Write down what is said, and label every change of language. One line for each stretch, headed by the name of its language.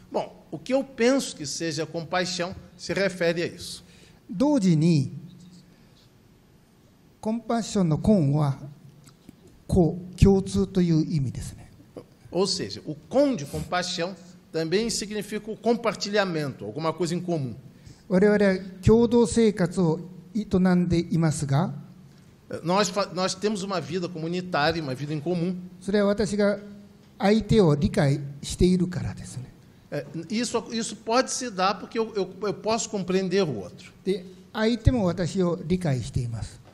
Portuguese: Bom, o que eu penso que seja compaixão se refere a isso.
Japanese: 同時にコンパッションのコンは共通という意味です。
Portuguese: Ou seja, o com de compaixão também significa o compartilhamento, alguma coisa em comum.
Japanese: 我々は共同生活を営んでいますが,
Portuguese: nós temos uma vida comunitária, uma vida em comum.
Japanese: それは私が相手を理解しているからですね。
Portuguese: Isso pode se dar porque eu posso compreender o outro.
Japanese: で相手も私を理解しています。